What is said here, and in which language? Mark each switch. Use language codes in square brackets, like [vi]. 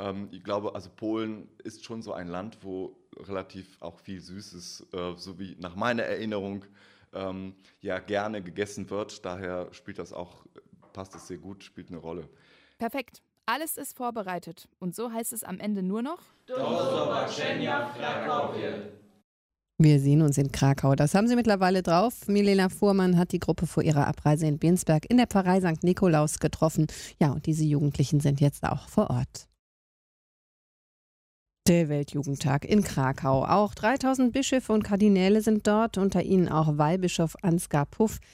[de] Ich glaube, also Polen ist schon so ein Land, wo relativ auch viel Süßes, so wie nach meiner Erinnerung, ja gerne gegessen wird. Daher passt das sehr gut, spielt eine Rolle. Perfekt, alles ist vorbereitet. Und so heißt es am Ende nur noch: [pl] Do zobaczenia w Krakowie. [de] Wir sehen uns in Krakau. Das haben Sie mittlerweile drauf. Milena Fuhrmann hat die Gruppe vor ihrer Abreise in Binsberg in der Pfarrei St. Nikolaus getroffen. Ja, und diese Jugendlichen sind jetzt auch vor Ort. Der Weltjugendtag in Krakau. Auch 3000 Bischöfe und Kardinäle sind dort, unter ihnen auch Weihbischof Ansgar Puff.